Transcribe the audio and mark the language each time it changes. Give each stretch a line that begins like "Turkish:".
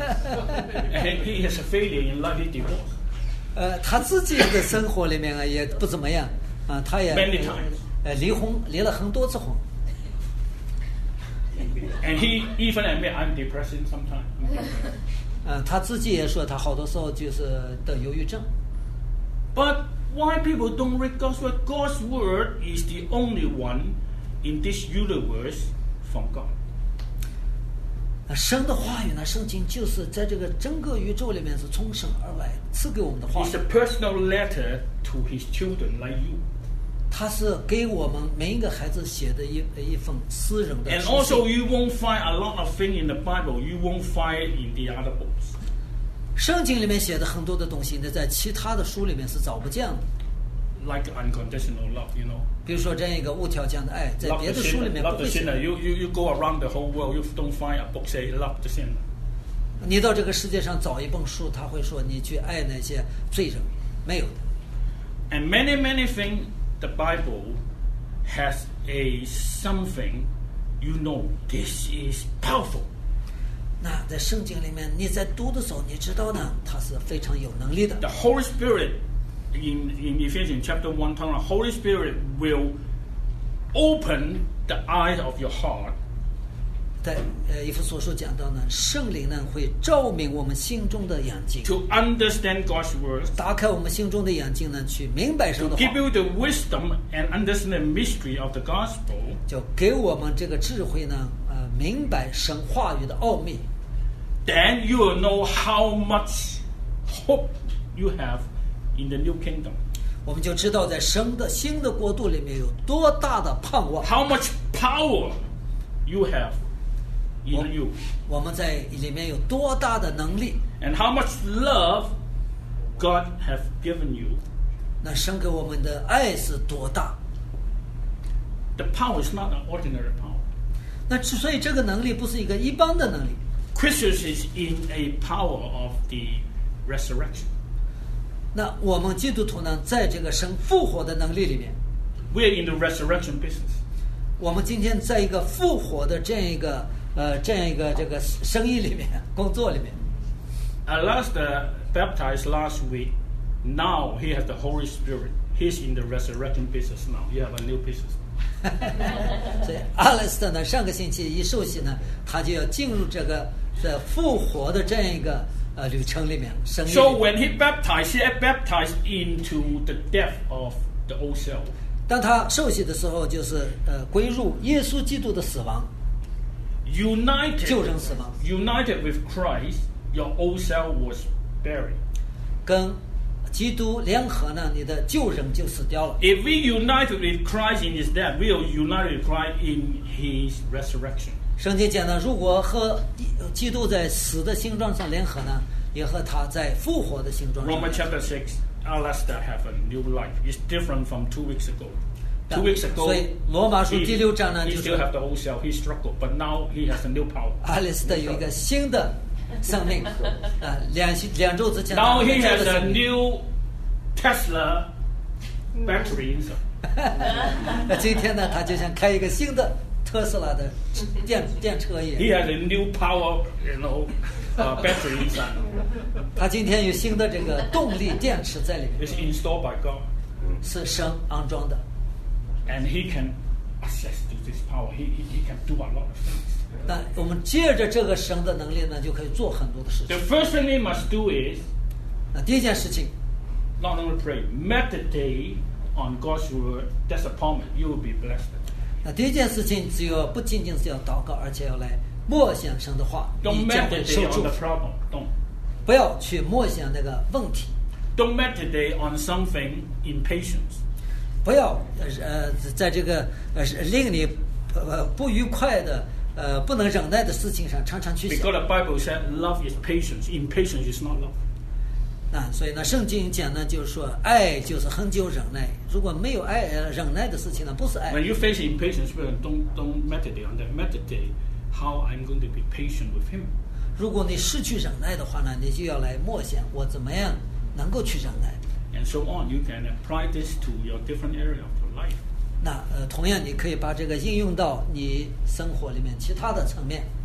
English: And he has a failure in life, he divorced.
Chinese: 他自己的生活里面啊也不怎么样啊，他也
English: many times.
Chinese: 离婚离了很多次婚。
English: And he even admit I'm depressing sometimes.
Chinese: 他自己也说他好多时候就是得忧郁症。
English: But why people don't read God's word? God's word is the only one in this universe from God.
Chinese: 神的话语呢，圣经就是在这个整个宇宙里面是从神而来赐给我们的话语。
English: It's a personal letter to His children like you.
Chinese: 他是给我们每一个孩子写的 一份私人的书信。
English: And also, you won't find a lot of things in the Bible. You won't find in the other books.
Chinese: 圣经里面写的很多的东西，在其他的书里面是找不见的。
English: Like unconditional love, you know.
Chinese: 比如说这样一个无条件的爱，在别的书里面不会写的。
English: You go around the whole world, you don't find a book say love the sinner.
Chinese: 你到这个世界上找一本书，他会说你去爱那些罪人，没有的。
English: And many many things. The Bible has a something you know. This is powerful.
Chinese: 那在圣经里面，你在读的时候，你知道呢，它是非常有能力的。
English: The Holy Spirit in Ephesians chapter 1, the Holy Spirit will open the eyes of your heart.
Chinese: 在以弗所书讲到呢，圣灵呢会照明我们心中的眼睛。
English: To understand God's word,
Chinese: 打开我们心中的眼睛呢，去明白神的话。
English: To give you the wisdom and understand the mystery of the gospel,
Chinese: 就给我们这个智慧呢，明白神话语的奥秘。
English: Then you will know how much hope you have in the new kingdom.
Chinese: 我们就知道在神的新的国度里面有多大的盼望。
English: How much power you have.
Chinese: 我们在里面有多大的能力
English: ？And how much love God have given you？
Chinese: 那神给我们的爱是多大
English: ？The power is not an ordinary power.
Chinese: 那所以这个能力不是一个一般的能力。
English: Christians is in a power of the resurrection.
Chinese: 那我们基督徒呢，在这个神复活的能力里面
English: ，We're in the resurrection business.
Chinese: 我们今天在一个复活的这样一个。这样一个这个生意里面，工作里面。
English: I last baptized last week. Now he has the Holy Spirit. He's in the resurrection business now. He have a new business.
Chinese: 所以 ，Alistair 呢，上个星期一受洗呢，他就要进入这个在复活的这样一个旅程里面，生意里面。
English: So when he baptized, he baptized into the death of the old self.
Chinese: 当他受洗的时候，就是归入耶稣基督的死亡。
English: United with Christ, your old self was buried.
Chinese: 跟基督联合呢，你的旧人就死掉了。
English: If we united with Christ in his death, we will unite with Christ in his resurrection.
Chinese: 圣经讲呢，如果和基督在死的形状上联合呢，也和他在复活的形状。
English: Romans chapter 6, Alistair have a new life. It's different from 2 weeks ago.
Chinese: 所以罗马书第六章呢，就是
English: he still have the old self, he struggled, but now he has a new power.
Chinese: 阿里斯特有一个新的生命，两周之前
English: now he has a new Tesla battery inside.
Chinese: 今天呢，他就想开一个新的特斯拉的电车也。
English: He has a new power, you know, battery inside.
Chinese: 他今天有新的这个动力电池在里面。
English: It's installed by God.
Chinese: 是神安装的。
English: And he can access to this power. He can do a lot of things.
Chinese: 但我们借着这个神的能力呢，就可以做很多的事情。
English: The first thing he must do is.
Chinese: 那第一件事情。
English: Not only pray, meditate on God's word. That's a promise. You will be blessed.
Chinese: 那第一件事情，只有不仅仅是要祷告，而且要来默想神的话，你将会受祝福。不要去默想那个问题。
English: Don't meditate on something impatient.
Chinese: 不要在这个令你不愉快的不能忍耐的事情上常常去想。
English: Because the Bible said love is patience, impatience is not love.
Chinese: 那所以呢，圣经讲呢，就是说爱就是恒久忍耐。如果没有爱忍耐的事情呢，不是爱。
English: When you face impatience, don't meditate on that. Meditate how I'm going to be patient with him.
Chinese: 如果你失去忍耐的话呢，你就要来默想我怎么样能够去忍耐。
English: And so on, you can apply this to your different area of your life.
Chinese: 那同样你可以把这个应用到你生活里面其他的层面。